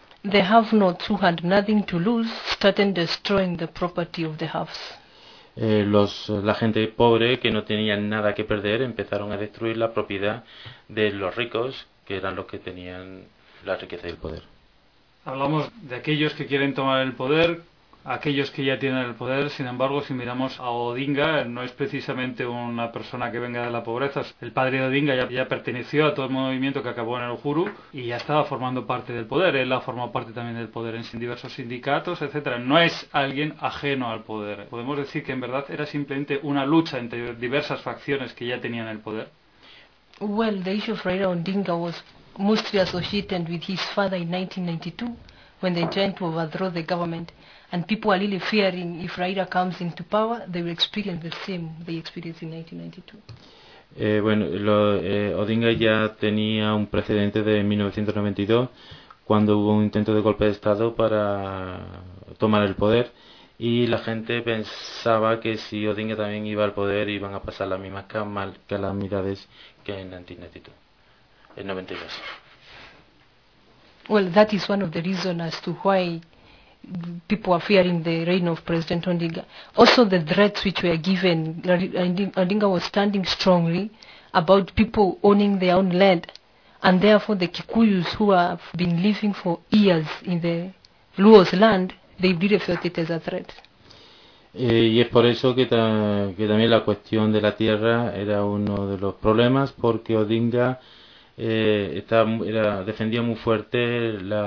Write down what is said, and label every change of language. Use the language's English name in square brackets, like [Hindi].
[English] The have-nots who had nothing to lose started destroying the property of the haves. [Spanish] La gente pobre que no tenía nada que perder empezaron a destruir la propiedad de los ricos, que eran los que tenían la riqueza y el poder. Hablamos de aquellos que quieren tomar el poder, aquellos que ya tienen el poder. Sin embargo, si miramos a Odinga, no es precisamente una persona que venga de la pobreza. El padre de Odinga ya perteneció a todo el movimiento que acabó en el Uhuru y ya estaba formando parte del poder. Él ha formado parte también del poder en diversos sindicatos, etcétera. No es alguien ajeno al poder. Podemos decir que en verdad era simplemente una lucha entre diversas facciones que ya tenían el poder. [English] Well, the issue of Raila Odinga was mostly associated with his father in 1992 when they tried to overthrow the government. And people are really fearing if Raila comes into power, they will experience the same they experienced in 1992. [Spanish] Odinga ya tenía un precedente de 1992, cuando hubo un intento de golpe de Estado para tomar el poder, y la gente pensaba que si Odinga también iba al poder, iban a pasar las mismas calamidades que en 1992, en 92. [English] Well, that is one of the reasons as to why people are fearing the reign of President Odinga. Also the threats which were given, Odinga was standing strongly about people owning their own land, and therefore the Kikuyus who have been living for years in the Luo's land, they really felt it as a threat. [Spanish] Y es por eso que también la cuestión de la tierra era uno de los problemas, porque Odinga defendía muy fuerte